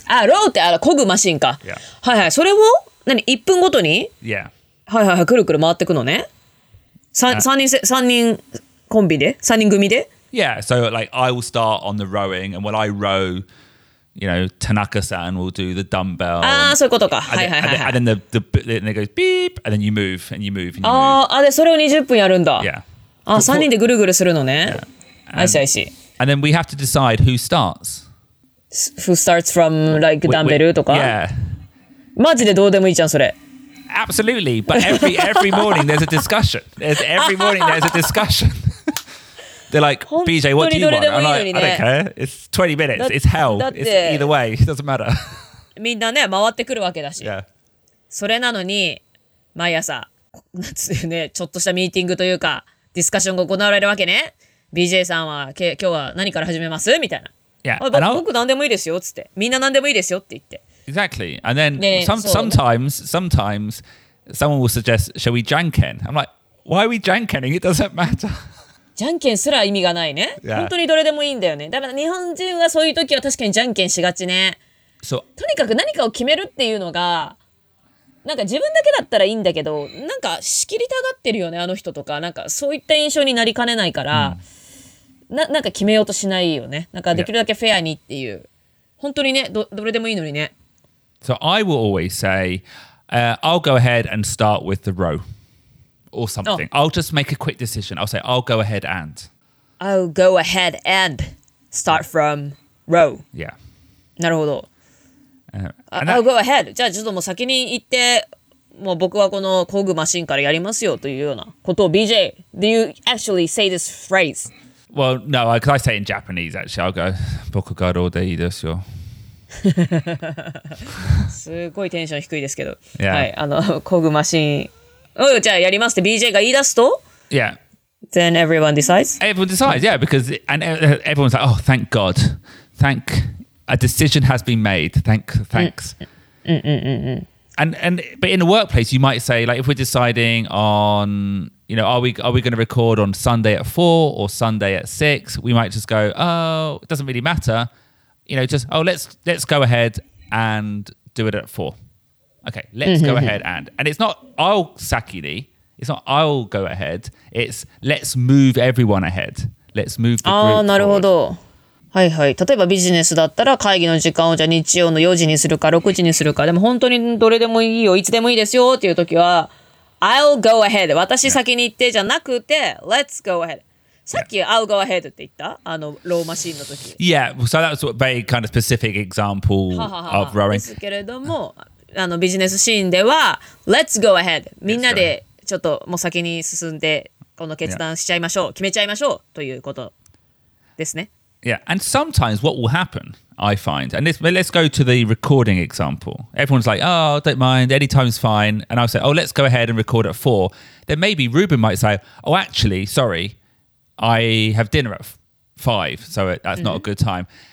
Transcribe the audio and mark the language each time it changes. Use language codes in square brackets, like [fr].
[ja] あ、ローってあ、漕ぐマシンか。 [en] Yeah. [ja] はいはい、それを何、1分ごとに？ [en] Yeah. [ja] はいはいはい、くるくる回ってくのね。 3人コンビで3人組で [en] Yeah, so like I will start on the rowing and when I row, you know, Tanaka-san will do the dumbbell. [ja] ああ、そういうことか。はいはいはい。 [en] And then the goes beep and then you move and you move and you move. [ja] ああ、で、それを20分やるんだ。 [en] Yeah. [ja] ああ、3人でぐるぐるするのね。 [en] Yeah. I see. And then we have to decide who starts. Who starts from like dumbbell [ja] とか [en] Yeah. [ja] マジでどうでもいいじゃん、それ。 [en] Absolutely, but every morning there's a discussion. They're like, BJ, what do you want? I'm like, I don't care. It's 20 minutes. It's hell. It's either way. It doesn't matter. みんなね、回ってくるわけだし。 Yeah. それなのに、毎朝、ね、ちょっとしたミーティングというか、ディスカッションが行われるわけね。 BJ さんは、今日は何から始めます？みたいな。 Yeah. 僕何でもいいですよ、つって。みんな何でもいいですよって言って。 Exactly. And then sometimes someone will suggest, shall we janken? I'm like, why are we jankening? It doesn't matter. [ja] Janken すら意味がないね。 [en] Yeah. [ja] 本当にどれでもいいんだよね。だから日本人はそういう時は確かにじゃんけんしがちね。 [en] So, [ja] とにかく何かを決めるっていうのがなんか自分だけだったらいいんだけど、なんか仕切りたがってるよね、あの人とか。なんかそういった印象になりかねないから、うん、なんか決めようとしないよね。なんかできるだけフェアにっていう。本当にね、どれでもいいのにね。 [en] So I will always say,I'll go ahead and start with the row or something.、Oh. I'll just make a quick decision. I'll say, I'll go ahead and. I'll go ahead and start from row. Yeah. [ja] なるほど。 [en] I'll go ahead. [ja] じゃあちょっともう先に行って、もう僕はこの工具マシンからやりますよというようなことを [en] BJ, do you actually say this phrase? Well, no, because I say it in Japanese, actually. I'll go, [ja] 僕がローでいいですよ。すごいテンション低いですけど。 [en] Yeah. [ja] はい、あの、工具マシン。おう、じゃあやりますって BJ が言い出すと [en] Yeah. Then everyone decides? Everyone decides, yeah, because and everyone's like, oh, thank God. Thank God. A decision has been made. Thanks. But in a workplace, you might say, like, if we're deciding on, you know, are we going to record on Sunday at 4 or Sunday at 6? We might just go, oh, it doesn't really matter. You know, just, oh, let's go ahead and do it at 4. Okay, let's go ahead and. And it's not, I'll sakini. It's not, I'll go ahead. It's, let's move everyone ahead. Let's move the group forward. Oh, [ja] なるほど。はいはい。例えばビジネスだったら会議の時間をじゃあ日曜の4時にするか6時にするか。でも本当にどれでもいいよ。いつでもいいですよっていう時は、 [en] I'll go ahead. [ja] 私先に行ってじゃなくて、 [en] Let's go ahead. [ja] さっき、 [en] yeah. I'll go ahead [ja] って言った？あの、ローマシーンの時。 [en] Yeah, so that's a very kind of specific example of rowing. [ja] ですけれども、あのビジネスシーンでは、 [en] Let's go ahead. [ja] みんなでちょっともう先に進んで、この決断しちゃいましょう。決めちゃいましょうということですね。 [en] Yeah, and sometimes what will happen, I find, and let's go to the recording example. Everyone's like, oh, don't mind, anytime's fine. And I'll say, oh, let's go ahead and record at 4. Then maybe Ruben might say, oh, actually, sorry, I have dinner at 5, so that's not a good time.